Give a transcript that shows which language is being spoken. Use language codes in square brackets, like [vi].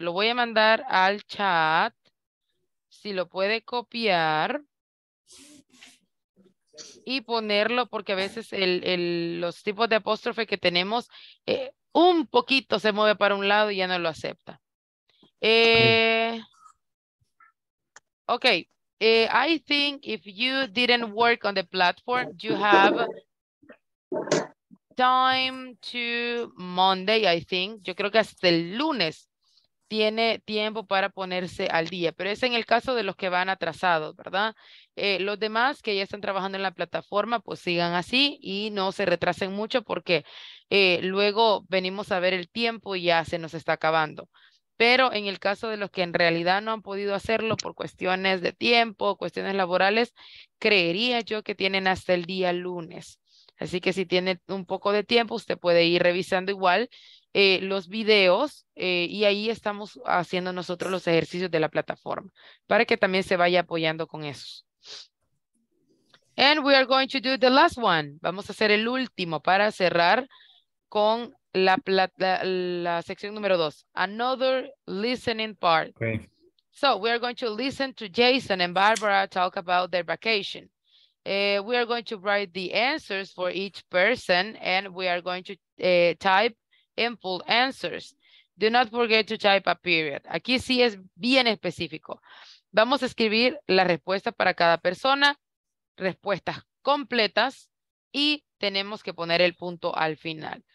[es] Lo voy a mandar al chat. Si lo puede copiar. Y ponerlo, porque a veces los tipos de apóstrofe que tenemos, un poquito se mueve para un lado y ya no lo acepta. Okay. [en] I think if you didn't work on the platform, you have time to Monday, I think. [es] Yo creo que hasta el lunes tiene tiempo para ponerse al día. Pero es en el caso de los que van atrasados, ¿verdad? Los demás que ya están trabajando en la plataforma, pues sigan así y no se retrasen mucho porque luego venimos a ver el tiempo y ya se nos está acabando. Pero en el caso de los que en realidad no han podido hacerlo por cuestiones de tiempo, cuestiones laborales, creería yo que tienen hasta el día lunes. Así que si tiene un poco de tiempo, usted puede ir revisando igual los videos y ahí estamos haciendo nosotros los ejercicios de la plataforma para que también se vaya apoyando con eso. [en] And we are going to do the last one. [es] Vamos a hacer el último para cerrar con la sección número dos. [en] Another listening part. Okay. So we are going to listen to Jason and Barbara talk about their vacation. We are going to write the answers for each person and we are going to type in full answers. Do not forget to type a period. [es] Aquí sí es bien específico. Vamos a escribir la respuesta para cada persona, respuestas completas y tenemos que poner el punto al final.